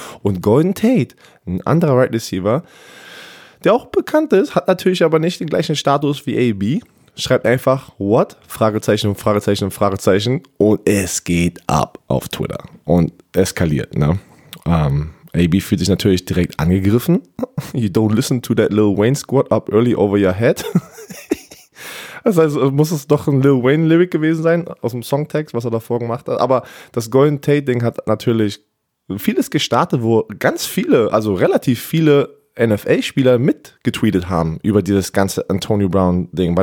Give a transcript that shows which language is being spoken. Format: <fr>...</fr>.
<de>Und Golden Tate, ein anderer Wide Receiver, der auch bekannt ist, hat natürlich aber nicht den gleichen Status wie AB, schreibt einfach,</de> <en>what?</en> <de>Fragezeichen, Fragezeichen, Fragezeichen. Und es geht ab auf Twitter und eskaliert, ne? AB fühlt sich natürlich direkt angegriffen.</de> <en>You don't listen to that Lil Wayne squad up early over your head.</en> <de>Das heißt, muss es doch ein Lil Wayne Lyric gewesen sein, aus dem Songtext, was er davor gemacht hat. Aber das Golden Tate Ding hat natürlich vieles gestartet, wo ganz viele, also relativ viele NFL-Spieler mitgetweetet haben über dieses ganze Antonio Brown Ding.</de>